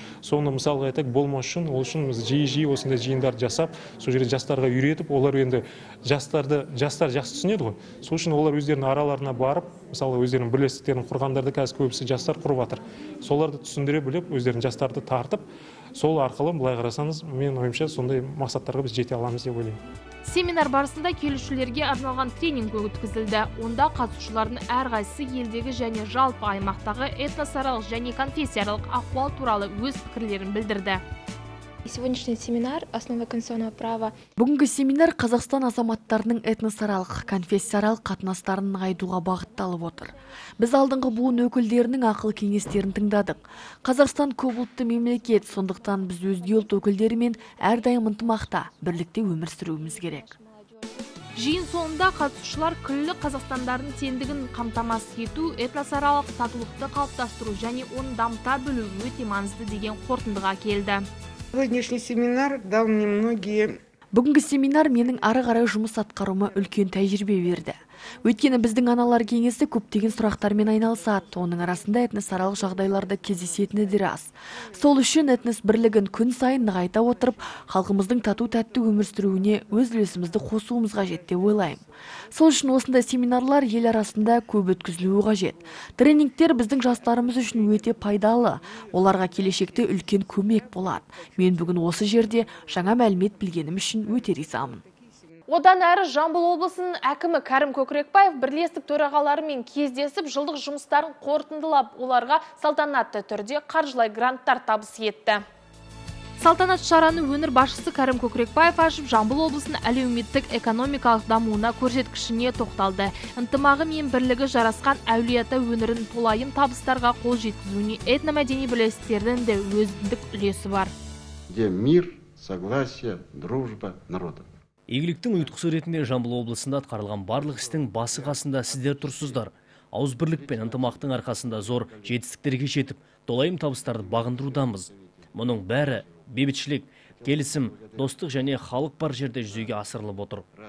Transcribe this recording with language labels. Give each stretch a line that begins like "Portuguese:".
Kazakh: Соны мысалға айтайық болмас үшін ол үшін біз жиі-жиі осындай жиындар жасап сол жерде жастарға үйретіп, олар енді жастар жақсы түсінеді ғой, сол үшін олар өздерінің араларына барып мысалы өздерінің бірлестіктерін құрғандарды қазір көбісі жастар құрып жатыр, соларды түсіндіре біліп өздерінің жастарды тартып сол арқылы былай қарасаңыз мен ойымша сондай мақсаттарға біз жете аламыз деп ойлаймын. Семинар барысында келушілерге арналған тренинг өткізілді. Онда қатысушылардың әрқайсысы елдегі және жалпы аймақтағы этносаралық және конфессияаралық ахуал туралы өз пікірлерін білдірді.
Russian: Сегодняшний семинар «Основы конституционного права».
Kazakh: Бүгінгі семинар Қазақстан азаматтарының этносаралық, конфессияралық қатынастарын нығайтуға бағытталып отыр. Біз алдыңғы буын өкілдерінің ақыл кеңестерін тыңдадық. Қазақстан көп ұлтты мемлекет, сондықтан біз өзге ұлт өкілдерімен әрдайым ынтымақта бірлікте өмір сүруіміз керек. Жиын соңында қатысушылар күллі қазақстандардың теңдігін қамтамасыз ету, этносаралық татулықты қалыптастыру және оны дамыта білу өте маңызды деген қорытындыға келді.
Russian: Сегодняшний семинар дал мне многие.
Kazakh: Бүгінгі семинар менің ары қарай жұмыс атқаруыма үлкен тәжірибе берді. Өйткені біздің аналар кеңесі көптеген сұрақтармен айналысады. Оның арасында этносаралық жағдайларды кездесетіні де рас. Сол үшін этнос бірлігін күн сайын нығайта отырып, халқымыздың тату-тәтті өмір сүруіне өз үлесімізді қосуымыз қажет деп ойлаймын. Сол үшін осындай семинарлар ел арасында көп өткізілуі қажет. Тренингтер біздің жастарымыз үшін өте пайдалы. Оларға келешекте үлкен көмек болады. Мен бүгін осы жерде жаңа мәлімет білгенім үшін өте ризамын. Одан әрі Жамбыл облысының әкімі Кәрім Көкірекбаев бірлестік төрағаларымен кездесіп, жылдық жұмыстарын қорытындылап, оларға салтанатты түрде қаржылай гранттар табыс етті. Салтанат шараны өңір басшысы Кәрім Көкірекбаев ашып, Жамбыл облысының әлеуметтік экономикалық дамуына көрсеткішіне тоқталды. Ынтымағы мен бірлігі жарасқан әулиеата өңірін толайым табыстарға қол жеткізуіне этномәдени бірлестіктердің де өзіндік үлесі бар.
Russian: Где мир, согласие, дружба народа.
Kazakh: Игіліктің ұйытқысы ретінде Жамбыл облысында атқарылған барлық істің басы қасында сіздер тұрсыздар. Ауыз бірлік пен ынтымақтың арқасында зор жетістіктерге жетіп, толайым табыстарды бағындырудамыз. Мұның бәрі бейбітшілік, келісім, достық және халық бар жерде жүзеге асырылып отыр.